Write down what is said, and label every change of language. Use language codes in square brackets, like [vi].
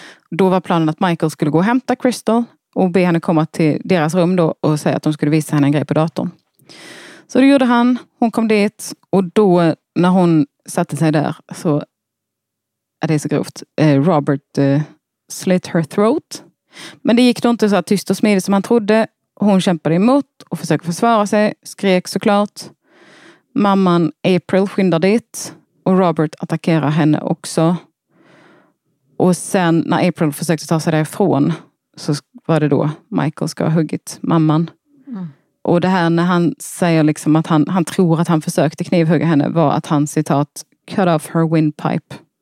[sv] Då var planen att Michael skulle gå och hämta Crystal och be henne komma till deras rum då och säga att de skulle visa henne en grej på datorn. Så det gjorde han. Hon kom dit och då när hon satte sig där så är det så grovt. Robert [en] slit her throat. [sv] Men det gick då inte så tyst och smidigt som han trodde. Hon kämpade emot och försöker försvara sig. Skrek såklart. Mamman April skyndar dit. Och Robert attackerar henne också. Och sen när April försökte ta sig därifrån så var det då Michael ska ha huggit mamman. Mm. Och det här när han säger liksom att han tror att han försökte knivhugga henne var att han citat [en] cut off her windpipe.